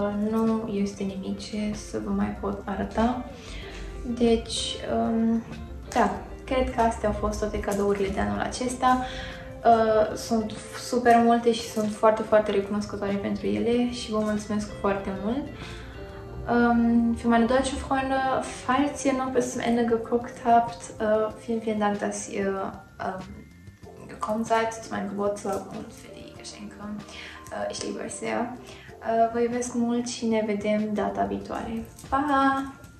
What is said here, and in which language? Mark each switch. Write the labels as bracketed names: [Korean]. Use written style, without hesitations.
[Romanian] Nu este nimic ce să vă mai pot arăta. Deci, da, cred că astea au fost toate cadourile de anul acesta. Sunt super multe și sunt foarte, foarte recunoscătoare pentru ele și vă mulțumesc foarte mult. [German] Für meine deutsche Freunde, falls ihr noch bis zum Ende geguckt habt, vielen, vielen Dank, dass ihr gekommen seid zu meinem Geburtstag und für die Geschenke. Ich liebe euch sehr. [Romanian] Vă iubesc mult și ne vedem data viitoare. Pa!